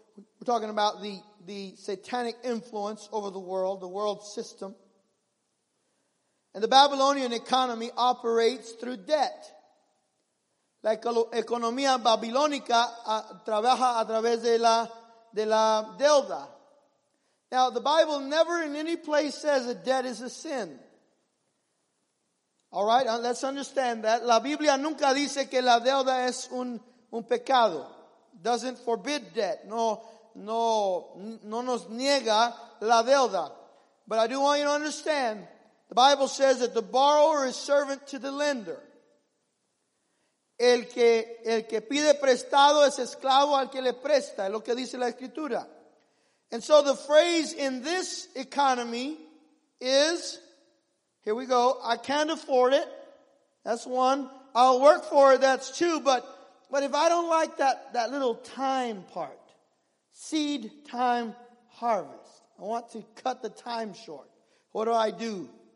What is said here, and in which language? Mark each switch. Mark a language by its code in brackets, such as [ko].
[en] We're talking about the satanic influence over the world system. And the Babylonian economy operates through debt. [es] La economía babilónica trabaja a través de la deuda. [en] Now, the Bible never in any place says that debt is a sin. All right, let's understand that. [es] La Biblia nunca dice que la deuda es un pecado. [en] Doesn't forbid debt. [es] No, no nos niega la deuda. [en] But I do want you to understand, the Bible says that the borrower is servant to the lender. [es] El que pide prestado es esclavo al que le presta, es lo que dice la Escritura. [en] And so the phrase in this economy is, here we go, I can't afford it, that's one. I'll work for it, that's two. But if I don't like that little time part, seed, time, harvest, I want to cut the time short, what do I do?